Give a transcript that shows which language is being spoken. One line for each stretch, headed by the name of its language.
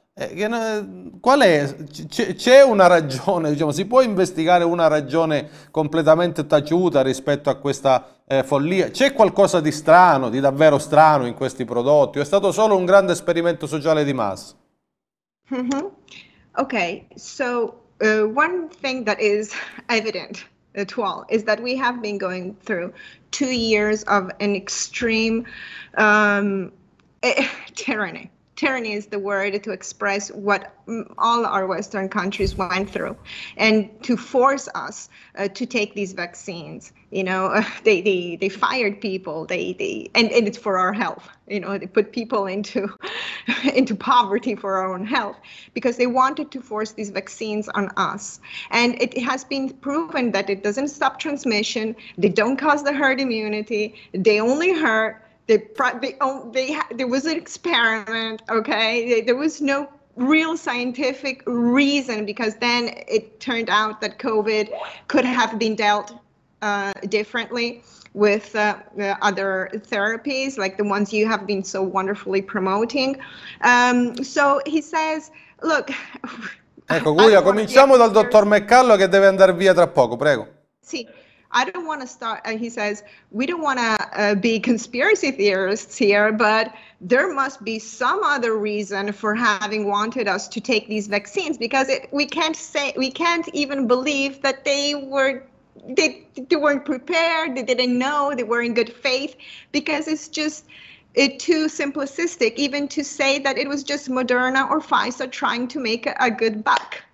Italian: Qual è? C'è una ragione, diciamo, si può investigare una ragione completamente taciuta rispetto a questa follia? C'è qualcosa di strano, di davvero strano in questi prodotti? O è stato solo un grande esperimento sociale di massa? Mm-hmm.
English: Ok, so one thing that is evident at all is that we have been going through 2 years of an extreme tyranny. tyranny is the word to express what all our Western countries went through, and to force us to take these vaccines. You know, they fired people. And it's for our health. You know, they put people into poverty for our own health because they wanted to force these vaccines on us. And it has been proven that it doesn't stop transmission. They don't cause the herd immunity. They only hurt. There was an experiment, okay? There was no real scientific reason, because then it turned out that COVID could have been dealt differently with other therapies, like the ones you have been so wonderfully promoting. So he says, look...
Italian: Ecco, Guglia, cominciamo dal dottor McCullough, che deve andare via tra poco, prego. Sì.
English: I don't want to start, he says, we don't want to be conspiracy theorists here, but there must be some other reason for having wanted us to take these vaccines, because we can't even believe that they weren't prepared, they didn't know, they were in good faith, because it's just too simplistic even to say that it was just Moderna or Pfizer trying to make a good buck.